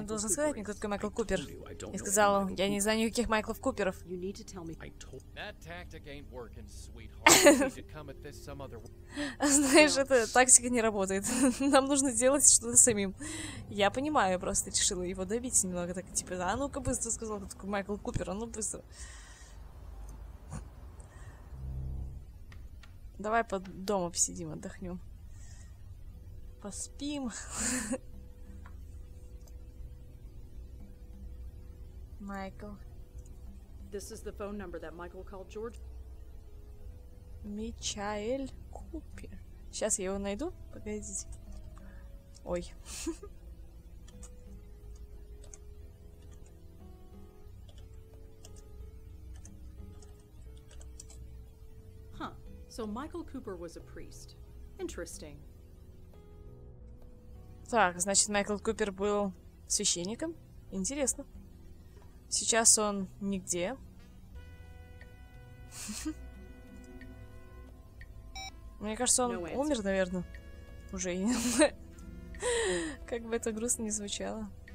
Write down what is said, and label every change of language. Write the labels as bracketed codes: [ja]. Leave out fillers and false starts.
[ru] Мы должны сказать мне, кто такой Майкл Купер. И сказал, я не знаю никаких Майклов Куперов. [en] You need to tell me. That tactic ain't working, sweetheart. You come at this some other. [ru] Знаешь, эта тактика не работает. Нам нужно делать что-то самим. Я понимаю, просто решила его добить немного, так типа, а ну-ка быстро, сказал, кто такой Майкл Купер, а ну быстро. Давай под дома посидим, отдохнем, поспим. [en] Michael. This is the phone number that Michael called George. [ru] Michael Cooper. Сейчас я его найду. Погодите. Ой. Huh. [en] So Michael Cooper was a priest. Interesting. [ru] Так, значит, Майкл Купер был священником? Интересно. Сейчас он нигде. Мне кажется, он умер, наверное. Уже и... Как бы это грустно не звучало.